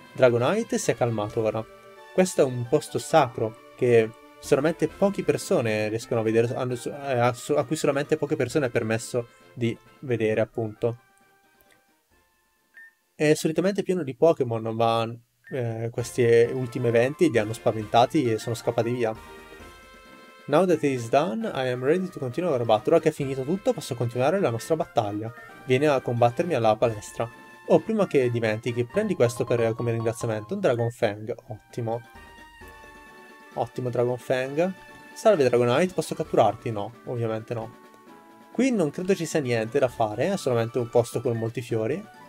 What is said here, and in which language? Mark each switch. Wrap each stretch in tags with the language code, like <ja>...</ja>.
<it>Dragonite si è calmato ora. Questo è un posto sacro che solamente poche persone riescono a vedere, a cui solamente poche persone è permesso di vedere, appunto. È solitamente pieno di Pokémon, ma questi ultimi eventi li hanno spaventati e sono scappati via.</it> <en>Now that it is done, I am ready to continue our battle.</en> <it>Ora che è finito tutto, posso continuare la nostra battaglia. Vieni a combattermi alla palestra. Oh, prima che dimentichi, prendi questo per, come ringraziamento, un Dragon Fang. Ottimo. Ottimo Dragon Fang. Salve Dragonite, posso catturarti? No, ovviamente no. Qui non credo ci sia niente da fare, è solamente un posto con molti fiori.</it>